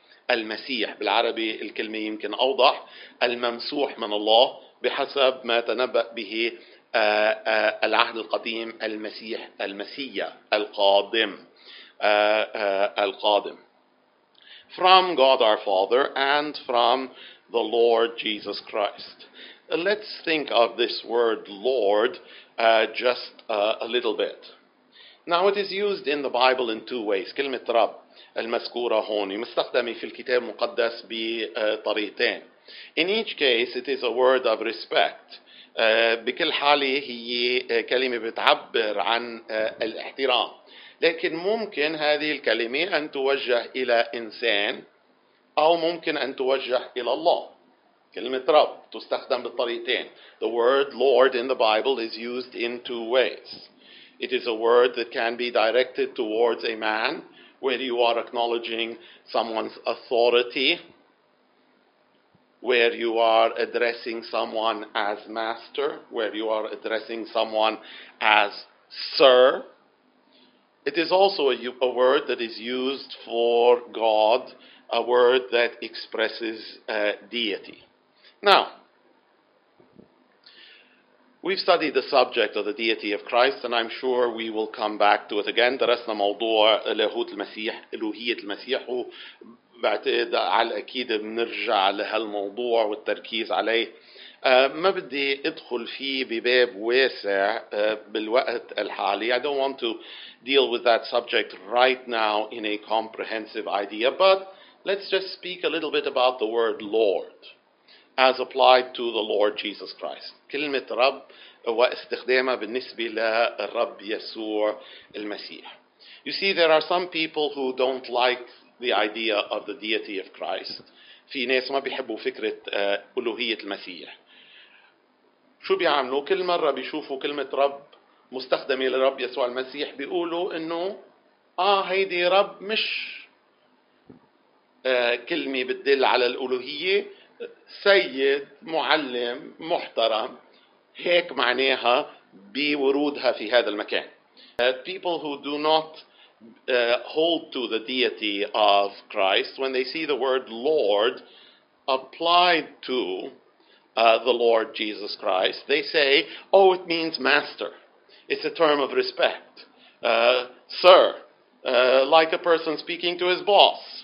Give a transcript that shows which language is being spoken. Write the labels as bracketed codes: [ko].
[ar] المسيح بالعربي الكلمة يمكن أوضح، الممسوح من الله بحسب ما تنبأ به العهد القديم، المسيح المسيا القادم القادم. [en] From God our Father and from the Lord Jesus Christ. Let's think of this word Lord just a little bit. Now it is used in the Bible in two ways. [ar] كلمة رب المذكورة هون مستخدمة في الكتاب المقدس بطريقتين. [en] In each case it is a word of respect. [ar] بكل حالة هي كلمة بتعبر عن الاحترام. لكن ممكن هذه الكلمة أن توجه إلى إنسان أو ممكن أن توجه إلى الله. كلمة رب تستخدم بالطريقتين. [en] The word Lord in the Bible is used in two ways. It is a word that can be directed towards a man where you are acknowledging someone's authority, where you are addressing someone as master, where you are addressing someone as sir. It is also a word that is used for God, a word that expresses deity. Now, we've studied the subject of the deity of Christ, and I'm sure we will come back to it again. [ar] درسنا موضوع لاهوت المسيح، إلوهية المسيح، وبعتقد على أكيد بنرجع لهالموضوع والتركيز عليه. ما بدي أدخل فيه بباب واسع بالوقت الحالي. [en] I don't want to deal with that subject right now in a comprehensive idea, but let's just speak a little bit about the word Lord as applied to the Lord Jesus Christ. [ar] كلمة رب واستخدامها بالنسبة للرب يسوع المسيح. [en] You see, there are some people who don't like the idea of the deity of Christ. [ar] في ناس ما بيحبوا فكرة ألوهية المسيح. شو بيعملوا؟ كل مرة بيشوفوا كلمة رب مستخدمة للرب يسوع المسيح بيقولوا إنه هيدي رب مش كلمة بتدل على الألوهية، سيد، معلم، محترم، هيك معناها بورودها في هذا المكان. [en] People who do not hold to the deity of Christ, when they see the word Lord applied to the Lord Jesus Christ, they say, oh, it means master. It's a term of respect. Sir, like a person speaking to his boss.